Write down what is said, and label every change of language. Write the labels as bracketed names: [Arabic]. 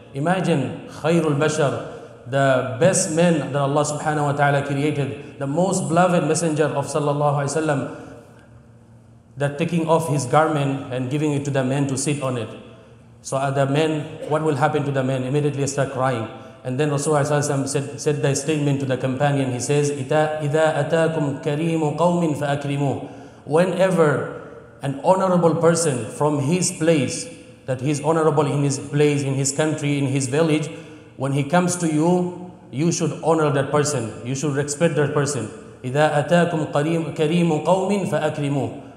[English] Imagine, Khairul Bashar, the best man that Allah subhanahu wa ta'ala created, the most beloved messenger of sallallahu alayhi wa sallam, that taking off his garment and giving it to the man to sit on it. So the man, what will happen to the man? Immediately start crying. And then Rasulullah sallallahu alayhi wa sallam said the statement to the companion. He says, [Arabic] إِذَا أَتَاكُمْ كَرِيمُ قَوْمٍ فَأَكْرِمُوهُ. [English] Whenever an honorable person from his place, that he's honorable in his place, in his country, in his village, when he comes to you, you should honor that person. You should respect that person. [Arabic] إِذَا أَتَاكُمْ كَرِيمُ قَوْمٍ فَأَكْرِمُوهُ.